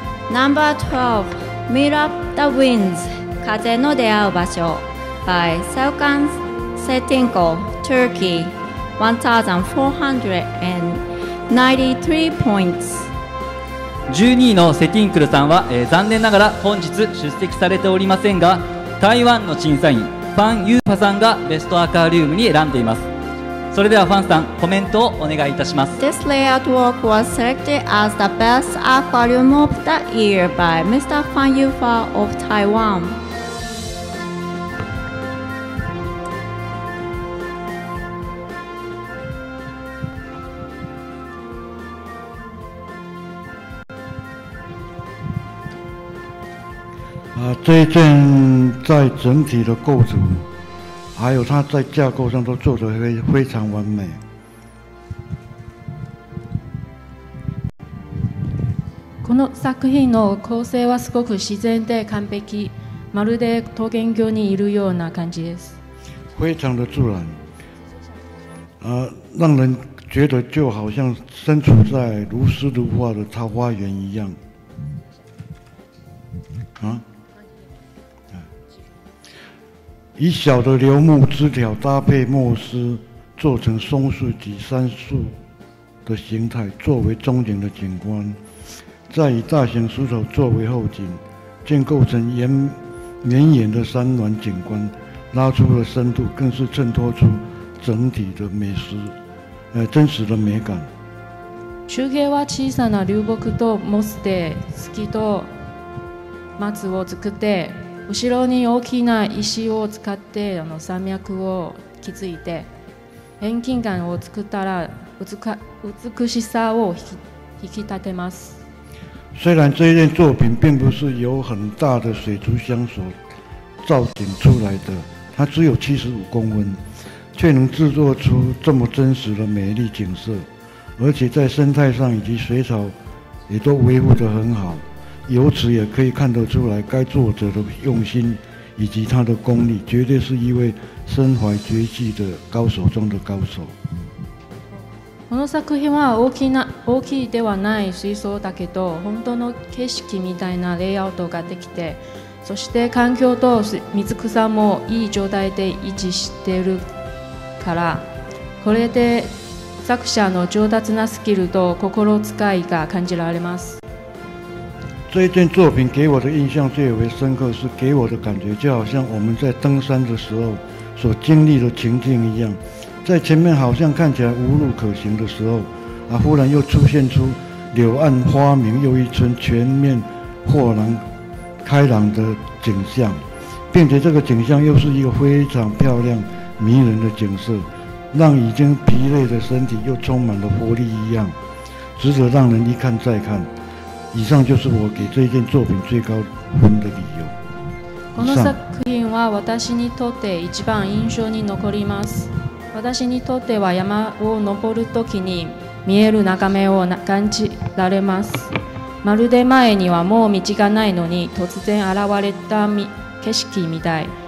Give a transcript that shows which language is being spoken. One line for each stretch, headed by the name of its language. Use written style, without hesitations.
English: Number 12、 Meet up the winds、 風の出会う場所 by Selkan Setinko Turkey、 1493 points。
Japanese: 12位のセティンクルさんは、残念ながら本日出席されておりませんが、台湾の審査員ファン・ユーファさんがベストアクアリウムに選んでいます。それではファンさん、コメントをお願いいたします。
English: This layout work was selected as the best aquarium of the year by Mr. Fan Yufa of Taiwan。
Chinese: 这一件在整体的构筑还有它在架构上都做得非常完美。
Japanese: この作品の構成はすごく自然で完璧、まるで桃源郷にいるような感じです。
Chinese: 非常的自然，让人觉得就好像身处在如诗如画的桃花源一样。以小的柳木枝条搭配墨丝，做成松树及杉树的形态，作为中景的景观；再以大型树头作为后景，建构成绵延的山峦景观，拉出了深度，更是衬托出整体的美食，真实的美感。
Japanese: 手芸は小さな流木とモスで隙と松を作って。後ろに大きな石を使って山脈を築いて遠近感を作ったら美しさを引き立てます。
Chinese: 虽然这一件作品并不是由很大的水族箱所造景出来的，它只有75公分，却能制作出这么真实的美丽景色，而且在生态上以及水草也都维护得很好，由此也可以看得出来该作者的用心以及他的功力，绝对是一位身怀绝技的高手中的高手。
Japanese: この作品は大きいではない水槽だけど、本当の景色みたいなレイアウトができて、そして環境と水草もいい状態で維持しているから、これで作者の上達なスキルと心遣いが感じられます。
Chinese: 这一件作品给我的印象最为深刻，是给我的感觉就好像我们在登山的时候所经历的情境一样，在前面好像看起来无路可行的时候，忽然又出现出柳暗花明又一村，全面豁然开朗的景象，并且这个景象又是一个非常漂亮迷人的景色，让已经疲累的身体又充满了活力一样，值得让人一看再看。以上就是我给这件作品最高分的理由。
Japanese: この作品は私にとって一番印象に残ります。私にとっては山を登るときに見える眺めを感じられます。まるで前にはもう道がないのに突然現れた景色みたい。